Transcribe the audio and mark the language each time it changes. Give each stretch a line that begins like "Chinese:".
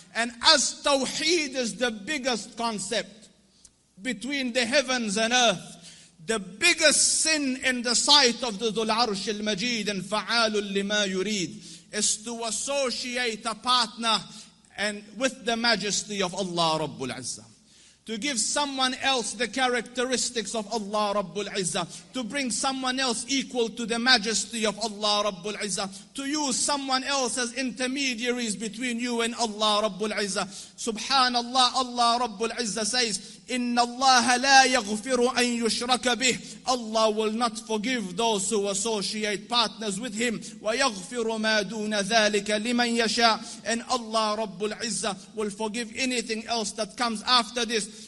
English: And as tawheed is the biggest concept between the heavens and earth, the biggest sin in the sight of the Dhul Arsh al-Majid and fa'alul lima yureed is to associate a partner and with the majesty of Allah Rabbul Izzah. To give someone else the characteristics of Allah Rabbul Izzah. To bring someone else equal to the majesty of Allah Rabbul Izzah. To use someone else as intermediaries between you and Allah Rabbul Izzah. Subhanallah, Allah Rabbul Izzah says,
Arabic: إن الله لا يغفر أن يشرك به.
English: Allah will not forgive those who associate partners with him.
Arabic: ويغفر ما دون ذلك لمن يشاء.
English: And Allah رب العزة will forgive anything else that comes after this.